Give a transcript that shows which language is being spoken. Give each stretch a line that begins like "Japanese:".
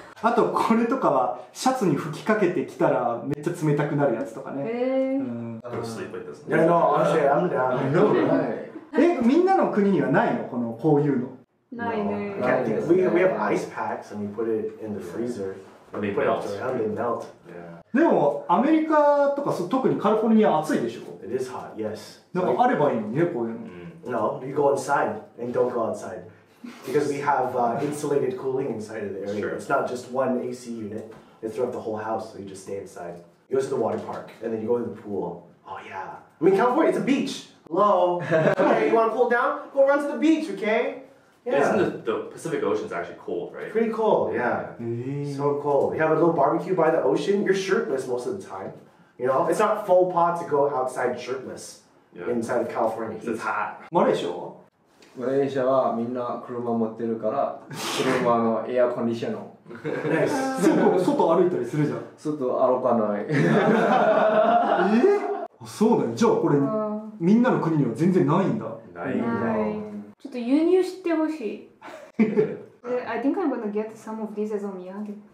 Japanese: あと、これとかはシャツに吹きかけてきたらめっちゃ冷たくなるやつとかね。へ
English: ぇー。I'm gonna sleep like this. I know, honestly, I'm down.
Japanese: え、みんなの国にはないの？このこういうの。ないね。
English: We have ice packs and we put it in the freezer. And they melt. And they melt.
Japanese: でも、アメリカとか、特にカリフォルニア暑いでしょ？
English: It is hot, yes.
Japanese: なんかあればいいのね、こういうの。
English: No, you go inside and don't go outside. Because we have insulated cooling inside of the area. It's not just one AC unit. It's throughout the whole house, so you just stay inside. You go to the water park and then you go to the pool. Oh yeah. I mean, California, it's a beach. Hello. Okay, you want to cool down? Go run to the beach, okay? Yeah. Isn't the Pacific Ocean is actually cold, right? Pretty cold, yeah. So cold. You have a little barbecue by the ocean. You're shirtless most of the time. You know, it's not faux pas to go outside shirtless inside of California. It's hot. Malaysia?
Japanese: Malaysia は、みんな車持ってるから、車のエアコンディショナル。ナイス。外歩いたりするじゃん。外歩かない。え？そうだよ。じゃあこれ。みんなの国には全然ないんだ。ないんだ。ちょっと輸入してほしい。
English: I think I'm gonna get some of these as a miyage.